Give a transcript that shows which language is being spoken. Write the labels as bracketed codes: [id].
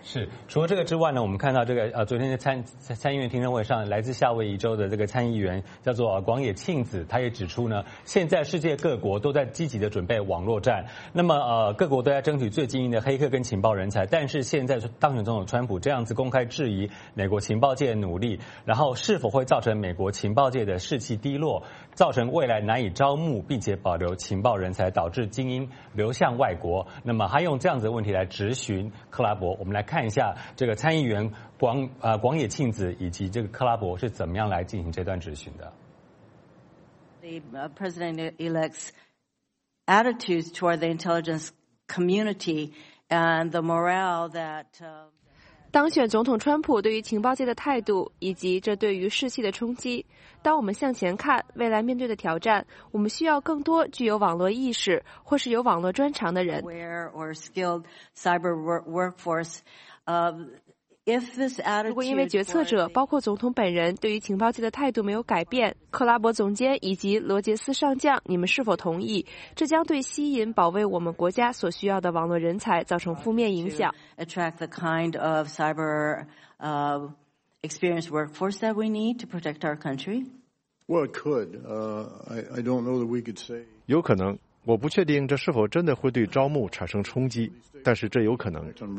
[zh] 是除了这个之外呢，我们看到这个昨天的参议院听证会上，来自夏威夷州的这个参议员叫做广野庆子，他也指出呢，现在世界各国都在积极的准备网络战，那么各国都在争取最精英的黑客跟情报人才，但是现在当选总统川普这样子公开质疑美国情报界的努力，然后是否会造成美国情报界的士气低落，造成未来难以招募并且保留情报人才，导致精英流向外国，那么他用这样子的问题来质询克拉伯。我们来看一下这个参议员广野庆子以及这个克拉伯是怎么样来进行这段质询的。 [en] President-elect's attitudes toward the intelligence community and the morale that [zh] 当选总统川普对于情报界的态度以及这对于士气的冲击。当我们向前看未来面对的挑战，我们需要更多具有网络意识或是有网络专长的人。 [en] Aware or skilled cyber workforce. If this attitude, [zh] 如果因为决策者包括总统本人对于情报界的态度没有改变，克拉伯总监以及罗杰斯上将，你们是否同意这将对吸引保卫我们国家所需要的网络人才造成负面影响？ [en] Attract the kind of cyber experienced workforce that we need to protect our country? Well, it could. I don't know that we could say. [zh] 有可能，我不确定这是否真的会对招募产生冲击，但是这有可能。